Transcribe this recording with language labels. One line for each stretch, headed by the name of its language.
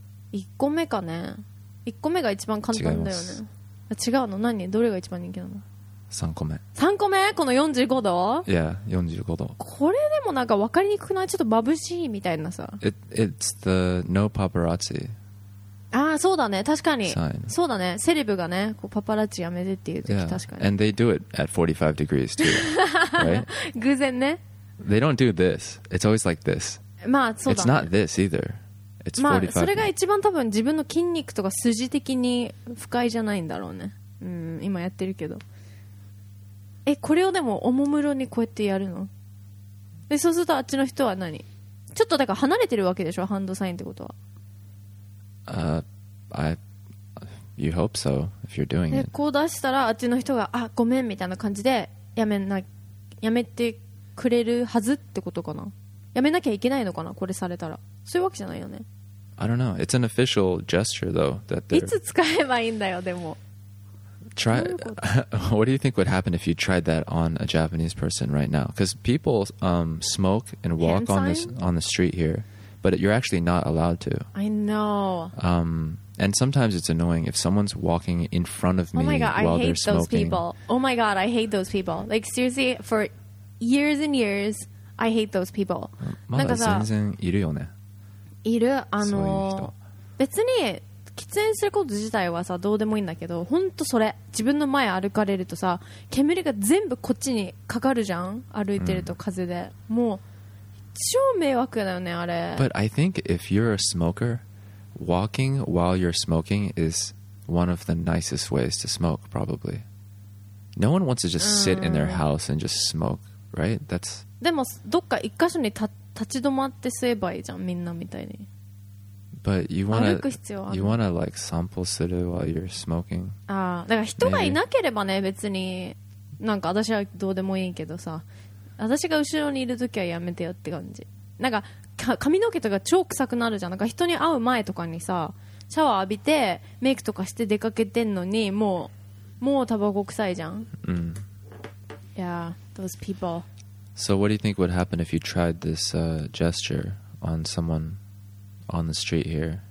Japanese: 1個目かね1個目が一番簡単だよね違うの何どれが一番人気なの 3個目 3個目この45度いや、yeah, 45度これでもなんか分かりにくくないちょっと眩しいみたいなさ
English: It's the no paparazzi
Japanese: ああそうだね確かにそうだねセレブがねこうパパラッチやめてっていう時、
English: yeah.
Japanese: 確かに
English: And they do it at 45 degrees too 、right?
Japanese: 偶然ね
English: They don't do this It's always like this
Japanese: まあそうだ、ね、
English: It's not this either
Japanese: まあ、それが一番多分自分の筋肉とか筋的に不快じゃないんだろうね、うん、今やってるけどえこれをでもおもむろにこうやってやるのでそうするとあっちの人は何ちょっとだから離れてるわけでしょハンドサインってことは
English: You hope so if you're doing it
Japanese: こう出したらあっちの人があごめんみたいな感じでやめてくれるはずってことかなやめなきゃいけないのかなこれされたらそういうわけじゃないよね
English: I don't know. It's an official gesture, though. That
Japanese: いつ使えばいいんだよ、でも。
English: Try, what do you think would happen if you tried that on a Japanese person right now? Because people smoke and walk on the street here, but you're actually not allowed to. I know. And sometimes it's annoying if someone's walking in front of me while they're smoking. Oh my god, I hate those people. Oh my god, I hate those people. Like, seriously, for years and years, I hate those people.
Japanese: まだ全然いるよね。いるそういう人別に喫煙すること自体はさどうでもいいんだけど本当それ自分の前歩かれるとさ煙が全部こっちにかかるじゃん歩いてると風で、うん、もう超迷惑だよねあれ
English: But I think if you're a smoker walking while you're smoking is one of the nicest ways to smoke probably No one wants to just sit in their house and just smoke right? That's
Japanese: でもどっか一箇所に立ち止まって吸えばいいじゃんみんなみたいに
English: But you wanna,
Japanese: 歩く必要ある
English: You wanna like
Japanese: 散歩する
English: while you're smoking
Japanese: ああだから人がいなければね別になんか私はどうでもいいけどさ私が後ろにいるときはやめてよって感じなんか髪の毛とか超臭くなるじゃんなんか人に会う前とかにさシャワー浴びてメイクとかして出かけてんのにもうタバコ臭いじゃんうん
English: Yeah those people So what do you think would happen if you tried this gesture on someone on the street here?